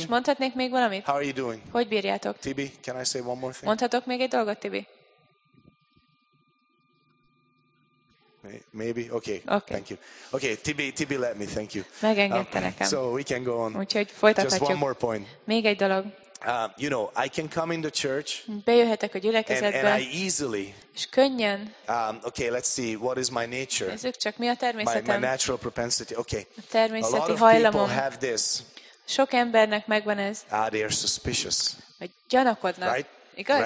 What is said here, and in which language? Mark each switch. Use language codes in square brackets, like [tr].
[hu] És mondhatnék még valamit? [en] How are you doing? [hu] Hogy bírjátok? [en] Tibi, can I say one more thing? [hu] Mondhatok még egy dolgot, Tibi? [en] Maybe okay. Thank you. Okay, Tibi, let me. Thank you. [hu] Megengedte nekem. [en] So we can go on. [hu] Úgyhogy folytathatjuk. [en] Just one more point. [hu] Még egy dolog. [en] You know, I can come in the church. [hu] Bejöhetek a gyülekezetbe. [en] And I easily. [hu] És könnyen. [en] Okay, let's see. What is my nature? [hu] Nézzük csak mi a természetem. [en] My natural propensity. Okay. [hu] A természeti hajlamom. [en] A lot of people have this. [hu] Sok embernek megvan ez. [en] They are suspicious. [hu] Vagy gyanakodnak. [en] Right? [hu] Igaz?